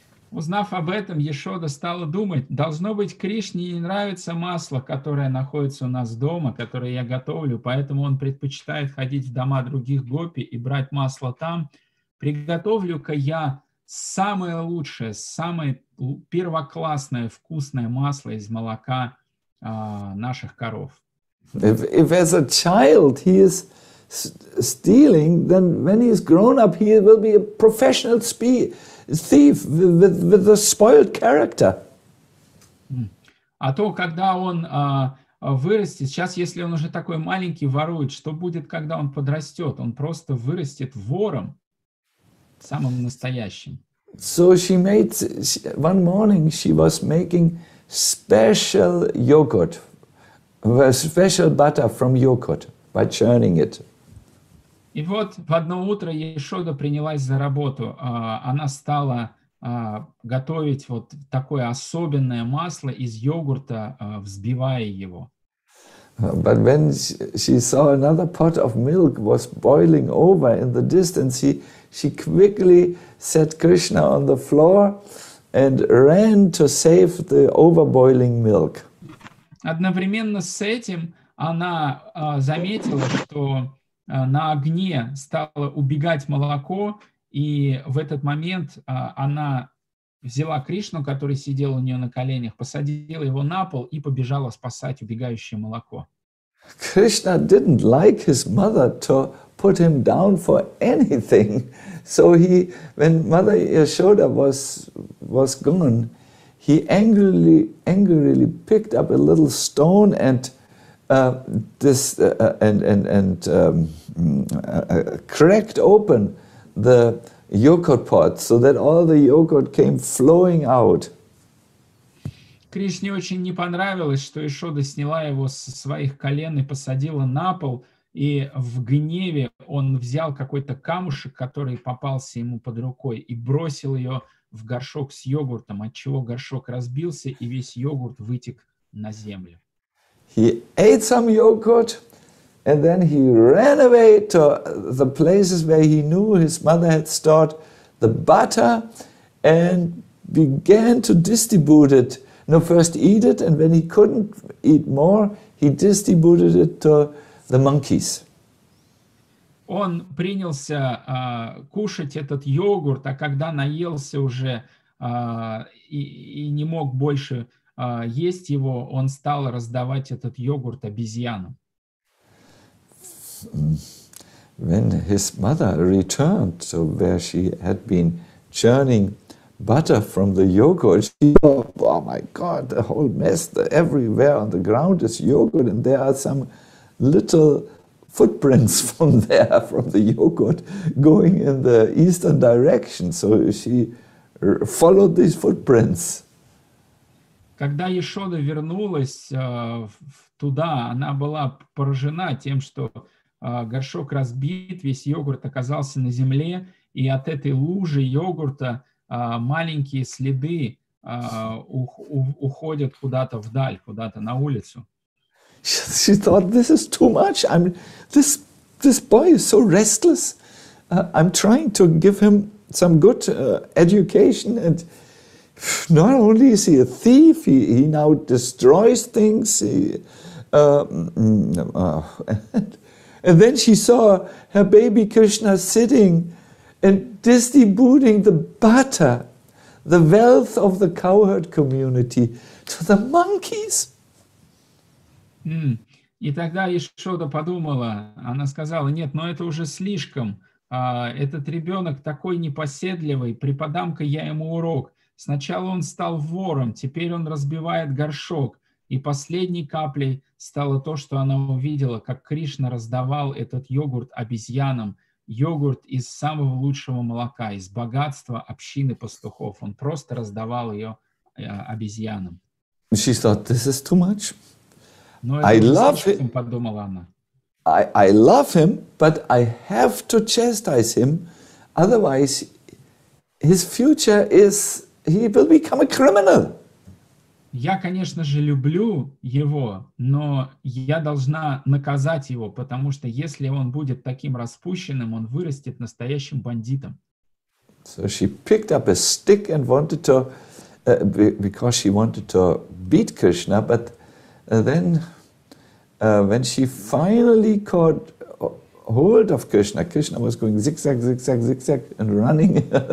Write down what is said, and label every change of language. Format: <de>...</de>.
<ru>Узнав об этом, Яшода стала думать, должно быть, Кришне не нравится масло, которое находится у нас дома, которое я готовлю, поэтому он предпочитает ходить в дома других гопи и брать масло там. Приготовлю-ка я самое лучшее, самое первоклассное вкусное масло из молока наших коров.</ru> <en>If as a child he is stealing, then when he is grown up he will be a professional thief with a spoiled character.</en> <ru>А то, когда он вырастет, сейчас, если он уже такой маленький ворует, что будет, когда он подрастет? Он просто вырастет вором, самым настоящим.</ru> <en>So she made, one morning she was making special yogurt, special butter from yogurt by churning it.</en> <ru>И вот в одно утро Яшода принялась за работу. Она стала готовить вот такое особенное масло из йогурта, взбивая его.</ru> <en>But when she saw another pot of milk was boiling over in the distance, she quickly set Krishna on the floor and ran to save the overboiling milk.</en> <ru>Одновременно с этим она заметила, что на огне стало убегать молоко, и в этот момент она взяла Кришну, который сидел у нее на коленях, посадила его на пол и побежала спасать убегающее молоко.</ru> <en>Krishna didn't like his mother to put him down for anything. So he, when Mother Yashoda was gone, he angrily picked up a little stone and cracked open the yogurt pot so that all the yogurt came flowing out.</en> <ru>Кришне очень не понравилось, что Яшода сняла его со своих колен и посадила на пол, и в гневе он взял какой-то камушек, который попался ему под рукой, и бросил ее в горшок с йогуртом, отчего горшок разбился, и весь йогурт вытек на землю.</ru> <en>He ate some yogurt, and then he ran away to the places where he knew his mother had stored the butter, and began to distribute it. No, first eat it, and when he couldn't eat more, he distributed it to the monkeys.</en> <ru>Он принялся кушать этот йогурт, а когда наелся уже и не мог больше есть его, он стал раздавать этот йогурт обезьянам.</ru> <en>When his mother returned to where she had been churning butter from the yogurt, she thought, oh my god, the whole mess, everywhere on the ground is yogurt, and there are some little footprints from there, from the yogurt, going in the eastern direction. So she followed these footprints.</en> <ru>Когда Яшода вернулась туда, она была поражена тем, что горшок разбит, весь йогурт оказался на земле, и от этой лужи йогурта маленькие следы уходят куда-то вдаль, куда-то на улицу.</ru> <en>She thought, this is too much. I'm this boy is so restless. I'm trying to give him some good education, and not only is he a thief, he now destroys things. And then she saw her baby Krishna sitting and distributing the butter, the wealth of the cowherd community to the monkeys.</en> <ru>И тогда Ешода подумала, она сказала, нет, но это уже слишком. Этот ребенок такой непоседливый, преподам-ка я ему урок. Сначала он стал вором, теперь он разбивает горшок. И последней каплей стало то, что она увидела, как Кришна раздавал этот йогурт обезьянам. Йогурт из самого лучшего молока, из богатства общины пастухов. Он просто раздавал ее обезьянам.</ru> <en>She thought, this is too much. I love him, but I have to chastise him, otherwise his future is, he will become a criminal.</en> <ru>Я, конечно же, люблю его, но я должна наказать его, потому что если он будет таким распущенным, он вырастет настоящим бандитом.</ru> <en>So she picked up a stick and wanted to, because she wanted to beat Krishna, but then... when she finally caught hold of Krishna, Krishna was going zigzag, zigzag, zigzag, and running.</en>